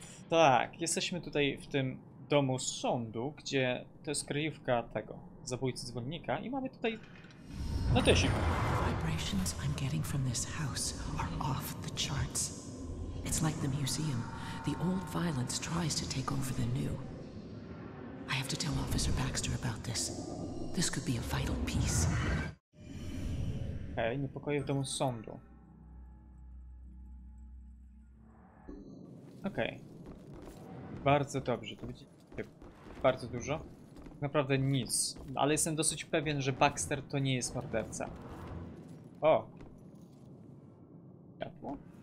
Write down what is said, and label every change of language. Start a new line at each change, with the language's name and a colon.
Polish: Tak, jesteśmy tutaj w tym domu sądu, gdzie to jest kryjówka tego zabójcy dzwonnika i mamy tutaj notesik.
English: Vibrations I'm getting from this house are off the charts. It's like the museum. The old violence tries to take over the new. I have to tell Officer Baxter about this. This could be a vital piece.
Polish: Hej, niepokoje w domu sądu. Okej. Okay. Bardzo dobrze, to widzicie bardzo dużo. Tak naprawdę nic, ale jestem dosyć pewien, że Baxter to nie jest morderca. O! Światło?